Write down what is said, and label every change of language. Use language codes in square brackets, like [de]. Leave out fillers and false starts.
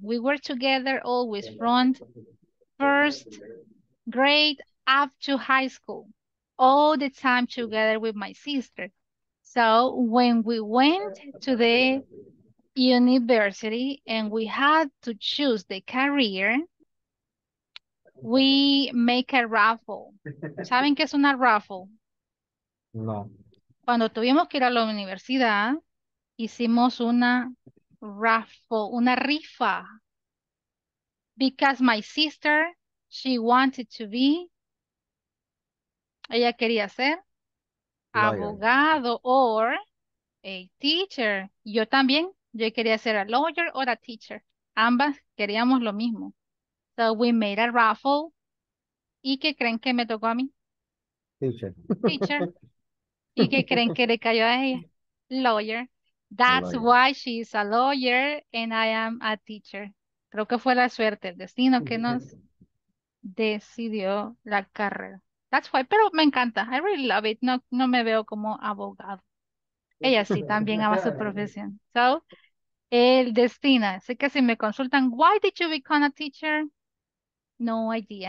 [en] We were together always from first grade up to high school, all the time together with my sister. So when we went to the university and we had to choose the career, we make a raffle. [es] ¿Saben qué es una raffle? No. Cuando tuvimos que ir a la universidad, hicimos una raffle, una rifa. [en] Because my sister, she wanted to be, [es] ella quería ser abogado [en] or a teacher. [es] Yo también, yo quería ser [en] a lawyer or a teacher. [es] Ambas queríamos lo mismo. [en] So we made a raffle. [es] ¿Y qué creen que me tocó a mí? [en] Teacher. Teacher. [es] ¿Y qué creen que le cayó a ella? [en] Lawyer. That's lawyer. Why she is a lawyer and I am a teacher. [es] Creo que fue la suerte, el destino que nos decidió la carrera. [en] That's why, [es] pero me encanta. [en] I really love it. [es] No me veo como abogado. Ella sí, también ama su profesión. So, el destino. Así que si me consultan, [en] why did you become a teacher? No idea.